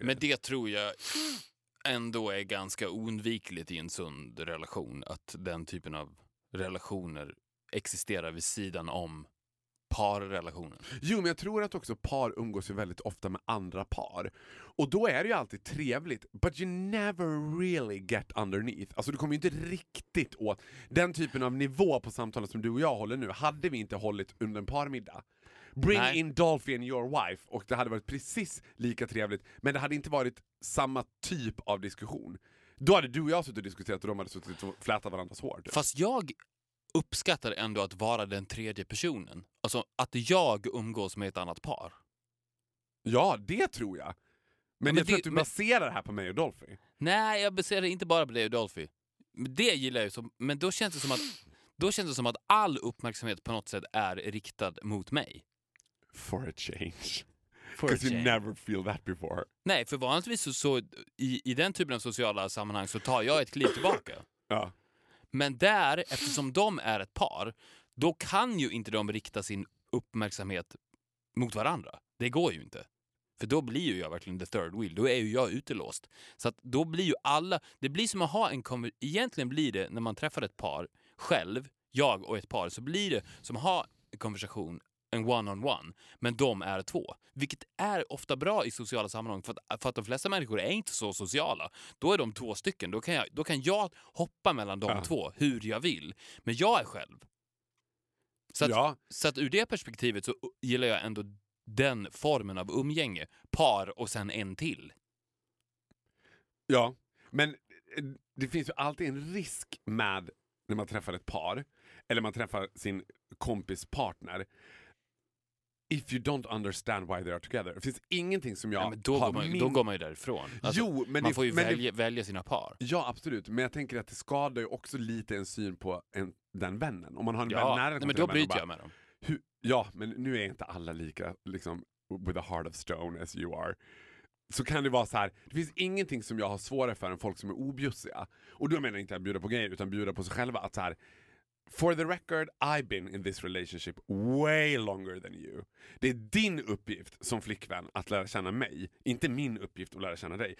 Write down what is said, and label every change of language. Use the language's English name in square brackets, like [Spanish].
[Swedish] Men det tror jag ändå är ganska oundvikligt i en sund relation, att den typen av relationer existerar vid sidan om parrelationen. Jo, men jag tror att också par umgås ju väldigt ofta med andra par. Och då är det ju alltid trevligt. [English] But you never really get underneath. [Swedish] Alltså du kommer ju inte riktigt åt den typen av nivå på samtalet som du och jag håller nu. Hade vi inte hållit under en parmiddag. [English] Bring [Swedish] Nej. [English] In Dolphy and your wife. [Swedish] Och det hade varit precis lika trevligt. Men det hade inte varit samma typ av diskussion. Då hade du och jag suttit och diskuterat och de hade suttit och flätat varandras hår. Fast jag uppskattar ändå att vara den tredje personen. Alltså att jag umgås med ett annat par. Ja, det tror jag. Men jag tror att du baserar det här på mig och Dolphy. Nej, jag baserar inte bara på dig och Dolphy. Det gillar jag ju. Men då känns det som att all uppmärksamhet på något sätt är riktad mot mig. [English] For a change. Because you never feel that before. [Swedish] Nej, för vanligtvis så i den typen av sociala sammanhang så tar jag ett kliv tillbaka. Ja. Men där, eftersom de är ett par, då kan ju inte de rikta sin uppmärksamhet mot varandra. Det går ju inte. För då blir ju jag verkligen [English] the third wheel. [Swedish] Då är ju jag utelåst. Så att då blir ju alla... Det blir som att ha en... Egentligen blir det, när man träffar ett par själv, jag och ett par, så blir det som att ha en konversation, en one-on-one. Men de är två. Vilket är ofta bra i sociala sammanhang. För att de flesta människor är inte så sociala. Då är de två stycken. Då kan jag hoppa mellan de två hur jag vill. Men jag är själv. Så att ur det perspektivet så gillar jag ändå den formen av umgänge. Par och sen en till. Ja, men det finns ju alltid en risk med när man träffar ett par. Eller man träffar sin kompispartner. [English] If you don't understand why they are together. [Swedish] Det finns ingenting som jag... Då går man ju därifrån. Alltså, jo, men man får välja sina par. Ja, absolut. Men jag tänker att det skadar ju också lite en syn på den vännen. Om man har en vän nära... Nej, men då bryter jag med dem. Ja, men nu är inte alla lika liksom, [English] with a heart of stone as you are. [Swedish] Så kan det vara så här. Det finns ingenting som jag har svårare för än folk som är objussiga. Och då menar jag inte att bjuda på grejer, utan bjuda på sig själva. Att så här... [English] For the record, I've been in this relationship way longer than you. [Swedish] Det är din uppgift som flickvän att lära känna mig. Inte min uppgift att lära känna dig.